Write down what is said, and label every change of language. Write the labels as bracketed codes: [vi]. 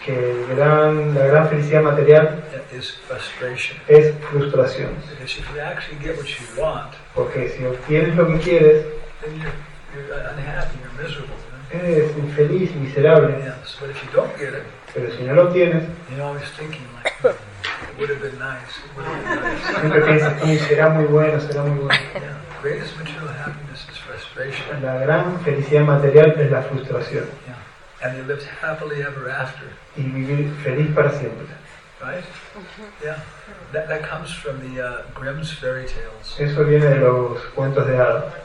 [es] Que la gran felicidad material. [en] Is frustration. [es] Es frustración. [en] Because if you actually get what you want. [es] Porque si obtienes lo que quieres. [en] Then you're unhappy. You're miserable. [es] Es infeliz, miserable. [en] Yes, but if you don't get it, [es] pero si no lo tienes, [en] you're always thinking like, it would have been nice. [es] Siempre piensas, será muy bueno, será muy bueno. [en] Yeah. Greatest material happiness is frustration. [es] La gran felicidad material es la frustración. [en] Yeah. And you lived happily ever after. [es] Y vivir feliz para siempre. [en] Right? Yeah. That comes from the Grimm's fairy tales. [es] Eso viene de los cuentos de hadas.